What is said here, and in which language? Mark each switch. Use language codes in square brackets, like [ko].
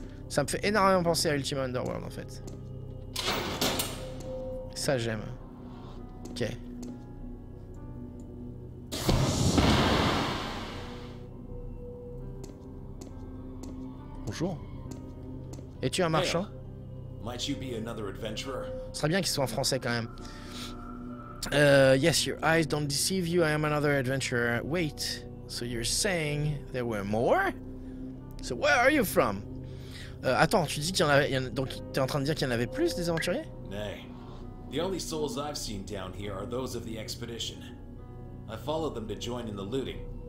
[fr] Ça me fait énormément penser à Ultima Underworld, en fait. Ça, j'aime. Ok. Bonjour. Es-tu un marchand? [en] Might you be another adventurer? [fr] Ce serait bien qu'il soit en français quand même. [en] Yes, your eyes don't deceive you. I am another adventurer. Wait. So you're saying there were more? So where are you from? [fr] Attends, tu dis qu'il y en avait. Donc t'es en train de dire qu'il y en avait plus des aventuriers? [en] Nay. The only souls I've seen down here are those of the expedition. I followed them to join in the looting.